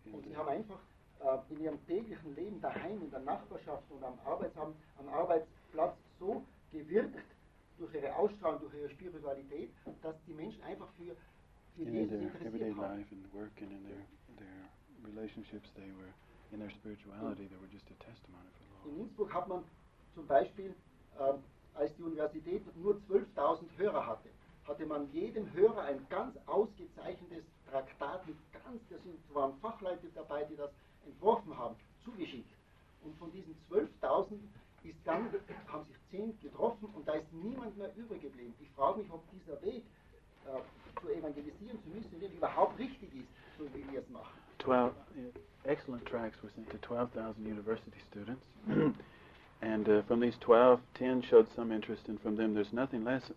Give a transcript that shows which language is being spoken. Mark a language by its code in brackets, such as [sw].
[de] Und sie haben einfach in ihrem täglichen Leben daheim, in der Nachbarschaft und am Arbeitsplatz so gewirkt, durch ihre Ausstrahlung, durch ihre Spiritualität, dass die Menschen einfach für [en] in Jesus their everyday life and work and in their relationships, they were in their spirituality, they were just a testimony for the Lord. [de] In Innsbruck hat man zum Beispiel, als die Universität nur 12.000 Hörer hatte, hatte man jedem Hörer ein ganz ausgezeichnetes Traktat mit ganz, da waren Fachleute dabei, die das entworfen haben, zugeschickt. Und von diesen 12.000 haben sich 10 getroffen und da ist niemand mehr übrig geblieben. Ich frage mich, ob dieser Weg zu evangelisieren zu müssen, überhaupt richtig ist, so wie wir es machen. [en] 12 excellent tracts were sent to 12,000 university students. And from these 12, 10 showed some interest, and from them there's nothing less.